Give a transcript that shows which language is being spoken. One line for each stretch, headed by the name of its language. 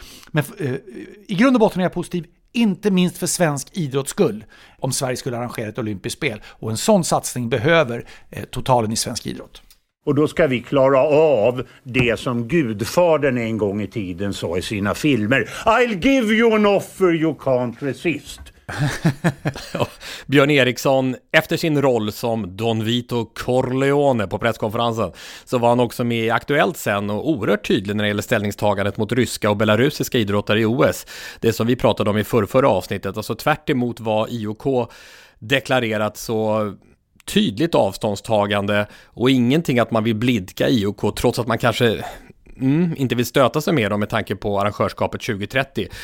Swedish: Men i grund och botten är jag positiv, inte minst för svensk idrotts skull, om Sverige skulle arrangera ett olympiskt spel. Och en sån satsning behöver totalen i svensk idrott. Och då ska vi klara av det som Gudfadern en gång i tiden sa i sina filmer.
English: I'll give you an offer you can't resist.
Swedish: Ja, Björn Eriksson, efter sin roll som Don Vito Corleone på presskonferensen, så var han också med i Aktuellt sen och oerhört tydlig när det gäller ställningstagandet mot ryska och belarusiska idrottare i OS. Det som vi pratade om i förra avsnittet, alltså tvärt emot vad IOK deklarerat, så tydligt avståndstagande och ingenting att man vill blidka IOK, trots att man kanske inte vill stöta sig med dem med tanke på arrangörskapet 2030.